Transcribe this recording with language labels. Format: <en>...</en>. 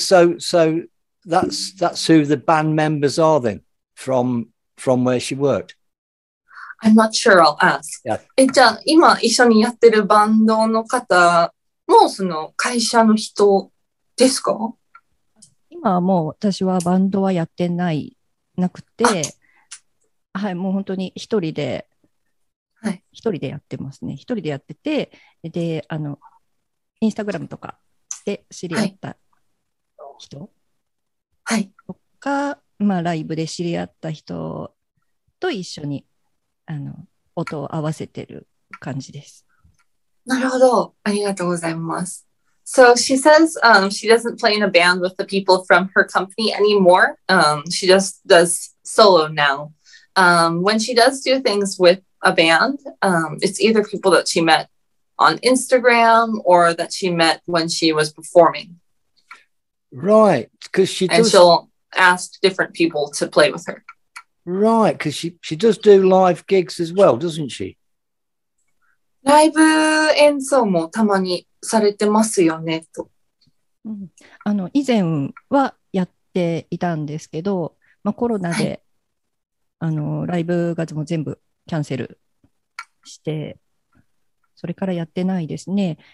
<en>So that's who the band members are then from where she worked. I'm not sure. I'll ask. Yeah.</en> <ja>じゃあ今一緒にやってるバンドの方もその会社の人ですか？今はもう私はバンドはやってないなくて、はい、もう本当に一人で。はい、一人でやってますね。一人でやってて、で、インスタグラムとかで知り合った人とか、はい、まあ、ライブで知り合った人と一緒に、音を合わせてる感じです。なるほど。ありがとうございます。</ja> <en>So she says, she doesn't play in a band with the people from her company anymore. She just does solo now. When she does do things witha band, it's either people that she met on Instagram or that she met when she was performing. Right, because she does... And she'll ask different people to play with her. Right, because she does do live gigs as well, doesn't she?</en> <ja>ライブ演奏もたまにされてますよねと。以前はやっていたんですけど、まあ、コロナで、はい、ライブがも全部キャンセルして、それからやってないですね。</ja>